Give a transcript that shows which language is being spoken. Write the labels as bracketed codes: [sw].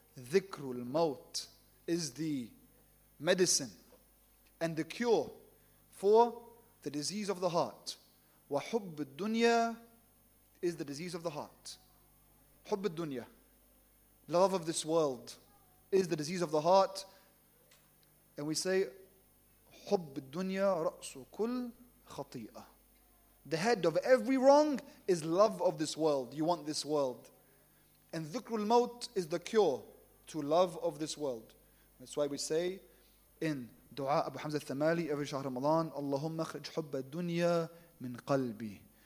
[en] Dhikrul maut is the medicine and the cure for the disease of the heart. Wa hubb ad-dunya is the disease of the heart. Hubb ad-dunya, love of this world, is the disease of the heart. And we say, [ar] حُبِّ الدُّنْيَا رَأْسُ كُلْ خَطِيئَةً. [en] The head of every wrong is love of this world. You want this world. And [ar] ذُكْرُ الْمَوْتِ [en] is the cure to love of this world. That's why we say in Dua Abu Hamza al-Thamali every Shah Ramadan, [ar] اللهم اخرج حب الدنيا من قلبي.